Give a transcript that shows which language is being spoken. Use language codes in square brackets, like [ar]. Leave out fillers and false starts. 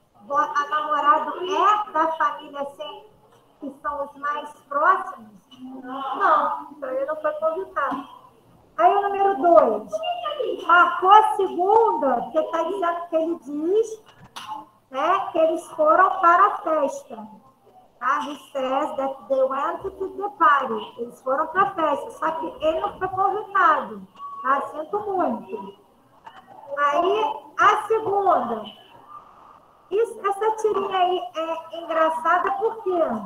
[pt] A namorada é da família assim, que são os mais próximos? Não, então ele não foi convidado. Aí o número 2. Marcou a segunda, que está dizendo que ele diz, né, que eles foram para a festa. [en] Ah, he says that they went to the party. [pt] Eles foram para a festa, só que ele não foi convidado. Ah, sinto muito. Aí, a segunda. Isso, essa tirinha aí é engraçada por quê?